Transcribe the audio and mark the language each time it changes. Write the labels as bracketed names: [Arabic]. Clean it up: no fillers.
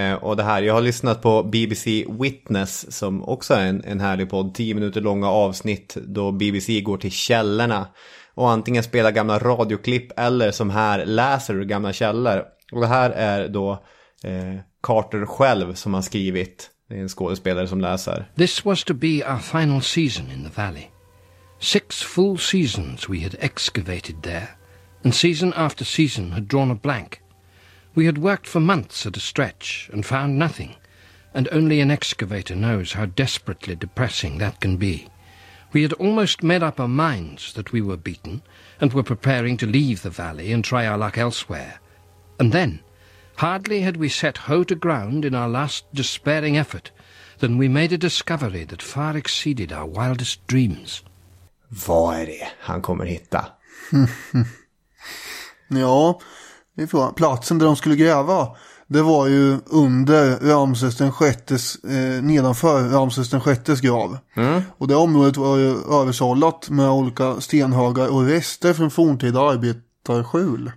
[Swedish] Och det här, jag har lyssnat på BBC Witness. Som också är en härlig podd. 10 minuter långa avsnitt. Då BBC går till källorna. Och antingen spelar gamla radioklipp. Eller som här läser gamla källor. Och det här är då Carter själv som har skrivit. Det är en skådespelare som läser. [English] This was to be our final season in the valley. 6 full seasons we had excavated there, and season after season had drawn a blank. We had worked for months at a stretch and found nothing, and only an excavator knows how desperately depressing that can be. We had almost made up our minds that we were beaten and were preparing to leave the valley and try our luck elsewhere. And then, hardly had we set hoe to ground in our last despairing effort than we made a discovery that far exceeded our wildest dreams. [Swedish] Vad är det han kommer hitta? Ja, det är platsen där de skulle gräva. Det var ju under Ramses den sjättes, nedanför Ramses den sjättes grav. Mm. Och det området var ju översållat med olika stenhagar och rester från forntida arbetarskjul.